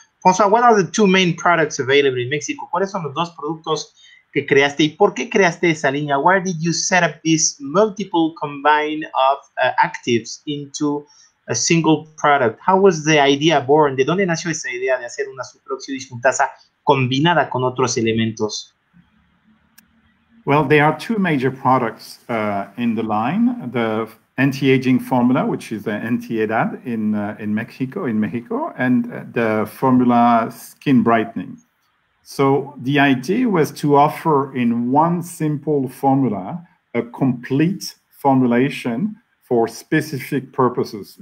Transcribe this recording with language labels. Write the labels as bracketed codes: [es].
[en] François, what are the two main products available in Mexico? [es] ¿Cuáles son los dos productos que creaste y por qué creaste esa línea? [en] Where did you set up this multiple combine of actives into a single product? How was the idea born? [es] ¿De dónde nació esa idea de hacer una superóxido dismutasa combinada con otros elementos? [en] Well, there are two major products in the line. The anti-aging formula, which is the anti-edad in Mexico, and the formula skin brightening. So the idea was to offer in one simple formula a complete formulation for specific purposes.